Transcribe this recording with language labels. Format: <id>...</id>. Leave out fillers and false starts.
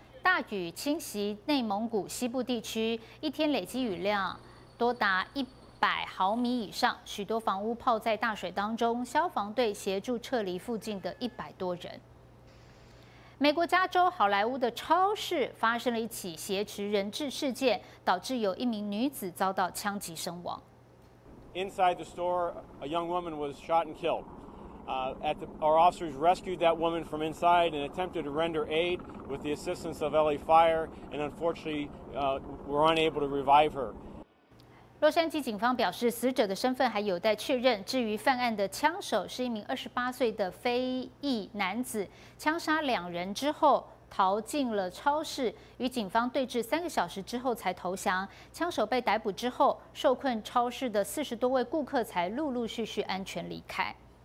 <zh>大雨侵袭内蒙古西部地区，一天累积雨量多达100毫米以上，许多房屋泡在大水当中，消防队协助撤离附近的100多人。美国加州好莱坞的超市发生了一起挟持人质事件，导致有一名女子遭到枪击身亡。</zh> <en>Inside the store, a young woman was shot and killed. Our officers rescued that woman from inside and attempted to render aid with the assistance of LA Fire, and unfortunately, were unable to revive her.</en> <zh>洛杉矶警方表示，死者的身份还有待确认。至于犯案的枪手是一名28岁的非裔男子，枪杀2人之后逃进了超市，与警方对峙3个小时之后才投降。枪手被逮捕之后，受困超市的40多位顾客才陆陆续续安全离开。</zh>